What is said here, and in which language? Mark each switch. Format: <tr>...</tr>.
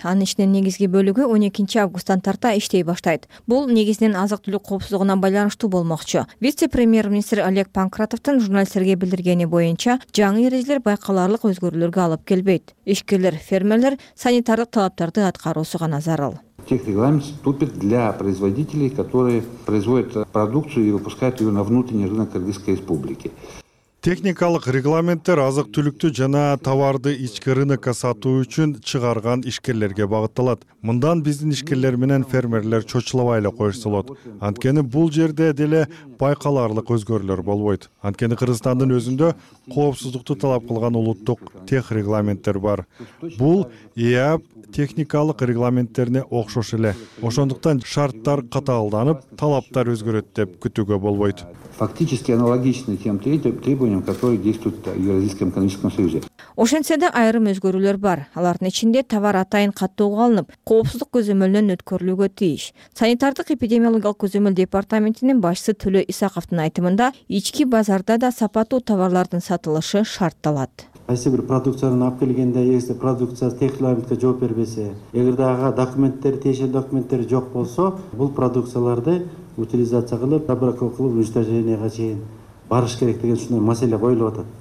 <ky>Анын ичинен негизги бөлүгү 12 августтан тарта иштей баштайт. Бул негизинен азык-түлүк коопсуздугуна байланыштуу болмокчу. Вице-премьер-министр Олег Панкратовдун журналисттерге билдиргени боюнча, жаңы эрежелер байкаларлык өзгөрүүлөргө алып келбейт. Ишкерлер, фермерлер санитардык талаптарды аткаруусуга назарыл.</ky> <ru>Техрегламент вступит для производителей, которые производят продукцию и выпускают ее на внутренний рынок Кыргызской Республики.</ru> <ky>Техникалык регламенттер азык-түлүктү жана товарды ички рынокко сатуу үчүн чыгарган ишкерлерге багытталат. Мындан биздин ишкерлер менен фермерлер чочулабай эле коюшса болот. Анткени бул жерде деле байкаларлык өзгөрүүлөр болбойт. Анткени Кыргызстандын өзүндө коопсуздукту талап кылган улуттук техрегламенттер бар. Бул ИАП техникалык регламенттерине окшош эле. Ошондуктан шарттар катаалданып, талаптар өзгөрөт деп күтүүгө болбойт.</ky> <ru>Фактически аналогичны тем требованиям, которые действуют в Евразийском экономическом союзе.</ru> <ky>Ошентсе да айрым өзгөрүүлөр бар. Алардын ичинде товар атайын каттоого алынып, коопсуздук көзөмөлүнөн өткөрүлүүгө тийиш. Санитардык эпидемиологиялык көзөмөл департаментинин башчысы Төлө Исаковдун айтымында, ички базарда да сапаттуу товарлардын сатылышы шартталат. Кайсы бир продукцияны алып келгенде, эгерде продукция техрегламентке жооп бербесе, эгерде ага документтер, тиешелүү документтер жок болсо, бул продукцияларды утилизация кылып, обработка кылып, уничтожениега чейин барыш керек деген ушундай маселе коюлуп атат.</ky>